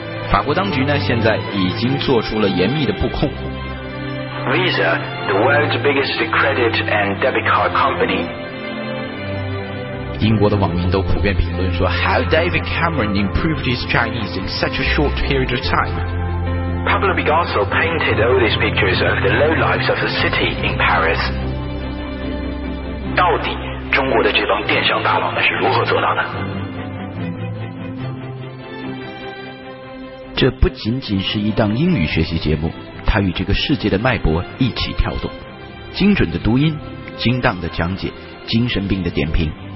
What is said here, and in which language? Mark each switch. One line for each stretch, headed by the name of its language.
Chinese: 法国当局呢，现在已经做出了严密的布控。
English: Visa, the world's biggest credit and debit card company.
Chinese: 英国的网民都普遍评论说
English: ，How David Cameron improved his Chinese in such a short period of time? Pablo Picasso painted all these pictures of the low lives of the city in Paris.
Chinese: 到底中国的这帮电商大佬呢是如何做到的？这不仅仅是一档英语学习节目，它与这个世界的脉搏一起跳动，精准的读音，精当的讲解，精神病的点评。